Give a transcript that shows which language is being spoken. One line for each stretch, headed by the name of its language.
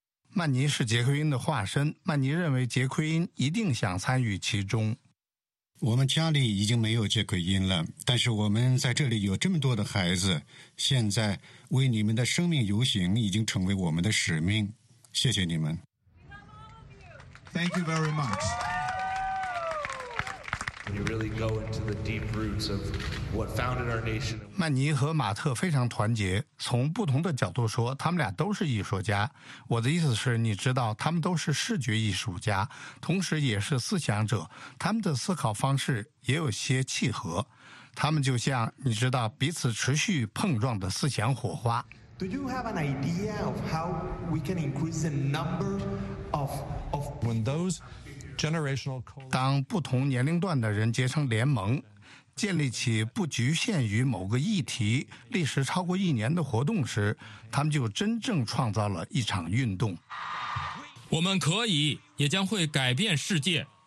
Chinese: 曼尼是杰奎因的化身，曼尼认为杰奎因一定想参与其中。我们家里已经没有杰奎因了，但是我们在这里有这么多的孩子，现在为你们的生命游行已经成为我们的使命，谢谢你们。
English: Thank you very much. You really go into the deep roots of what founded our nation.
Chinese: 曼尼和马特非常团结，从不同的角度说，他们俩都是艺术家。我的意思是，你知道，他们都是视觉艺术家，同时也是思想者，他们的思考方式也有些契合。他们就像，你知道，彼此持续碰撞的思想火花。
English: Do you have an idea of how we can increase the number of when those generational
Chinese: 当不同年龄段的人结成联盟，建立起不局限于某个议题、历时超过一年的活动时，他们就真正创造了一场运动。我们可以，也将会改变世界。